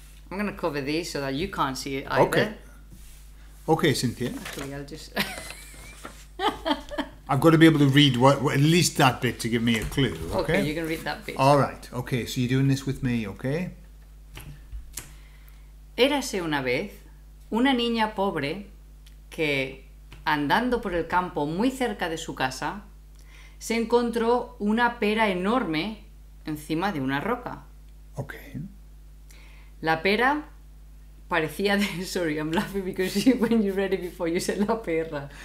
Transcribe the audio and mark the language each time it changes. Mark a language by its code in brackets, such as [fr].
[en] I'm going to cover these so that you can't see it either. Okay, Cynthia. Actually, I'll just... I've got to be able to read what at least that bit to give me a clue, okay? Okay, you can read that bit. All right, okay, so you're doing this with me, okay? [es] Érase una vez una niña pobre que, andando por el campo muy cerca de su casa, se encontró una pera enorme encima de una roca. [en] Ok. [es] La pera parecía de... [en] Sorry, I'm laughing because you, when you read it before you said la perra.